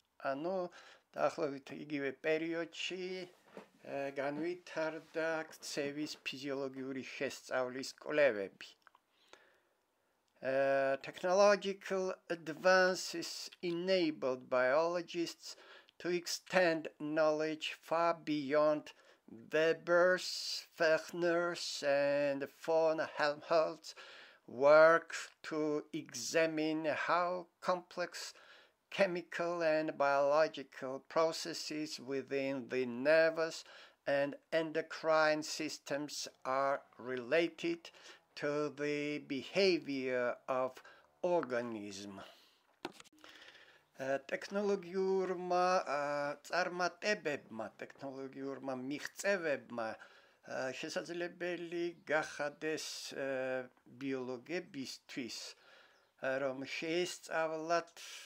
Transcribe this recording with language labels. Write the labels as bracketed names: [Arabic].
[Georgian] ანუ დაახლოებით იგივე პერიოდში განვითარდა ქცევის ფიზიოლოგიური შესწავლის კვლევები. [English] Technological advances enabled biologists to extend knowledge far beyond Weber's, Fechner's and von Helmholtz's work to examine how complex chemical and biological processes within the nervous and endocrine systems are related to the behavior of organism. [Georgian] ტექნოლოგიურმა წარმატებებმა, ტექნოლოგიურმა მიღწევებმა შესაძლებელი გახადეს ბიოლოგებისთვის, რომ შეესწავლათ